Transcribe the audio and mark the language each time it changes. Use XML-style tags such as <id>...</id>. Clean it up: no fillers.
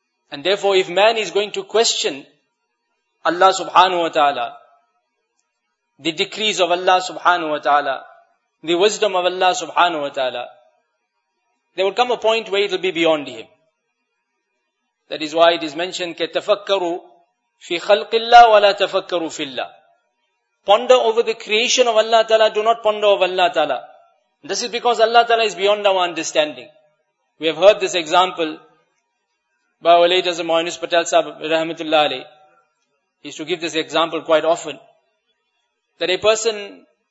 <en>And therefore, if man is going to question Allah subhanahu wa ta'ala, the decrees of Allah subhanahu wa ta'ala, the wisdom of Allah subhanahu wa ta'ala, there will come a point where it will be beyond him. That is why it is mentioned,</en> <ar>كَتَفَكَّرُوا فِي خَلْقِ اللَّهِ وَلَا تَفَكَّرُوا فِي اللَّهِ.</ar> <en>Ponder over the creation of Allah Ta'ala, do not ponder over Allah Ta'ala. This is because Allah Ta'ala is beyond our understanding. We have heard this example by our late Hazrat Moinus Patel Sahib Rahmatullah Alayh. He used to give this example quite often, that a person,</en>